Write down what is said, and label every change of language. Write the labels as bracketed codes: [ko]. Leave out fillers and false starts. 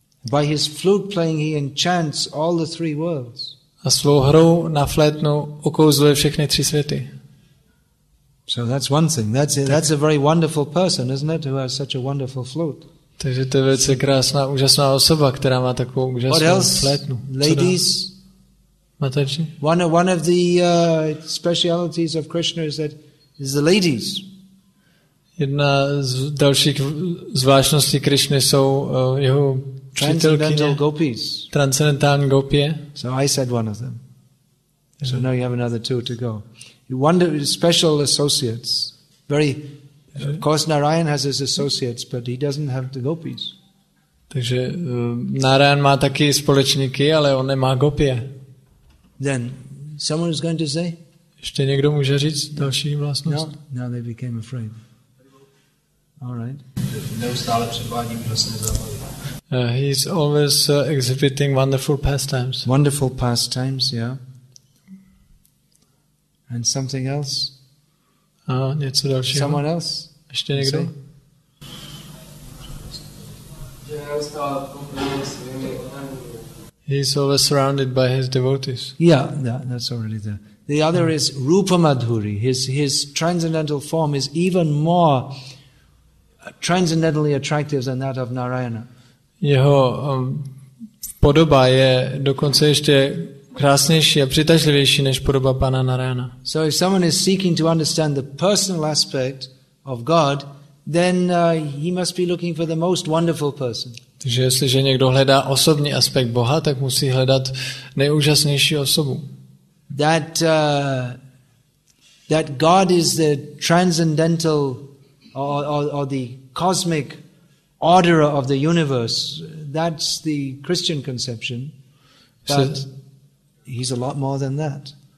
[en] By his flute playing he enchants all the three worlds. [cs] A svou hrou na flétnu okouzluje všechny tři světy. [en] So that's one thing. That's a very wonderful person, isn't it, who has such a wonderful flute? [cs] Takže to je velice krásná, úžasná osoba, která má takovou úžasnou flétnu. [en] Ladies, Mataji. One of the specialities of Krishna is the ladies. [cs] Jedna z dalších zvláštností Krishny jsou jeho přítelkyně. [en] Transcendental gopis. So I said one of them. So now you have another two to go. Wonderful special associates. Very, of course, Narayan has his associates, but he doesn't have the gopis. [cs] Takže Narayan má taky společníky, ale on nemá gopie. [en] Then, someone is going to say? [cs] Ještě někdo může říct další vlastnost? [en] No, now they became afraid. All right. [cs] Neustále předvádí úžasné zábavy. [en] He's always exhibiting wonderful pastimes. Wonderful pastimes, yeah. And something else? [cs] Něco dalšího. [en] Someone else? [cs] Ještě někdo? Že neustále [en] He's always surrounded by his devotees. Yeah, that's already there. The other is Rupa Madhuri. His transcendental form is even more transcendentally attractive than that of Narayana. [cs] Jeho podoba je dokonce ještě krásnější a přitažlivější než podoba Pana Narayana. [en] So if someone is seeking to understand the personal aspect of God, then he must be looking for the most wonderful person. [cs] Takže jestliže někdo hledá osobní aspekt Boha, tak musí hledat nejúžasnější osobu. [en] That God is the transcendental or the cosmic orderer of the universe, that's the Christian conception, but he's a lot more than that.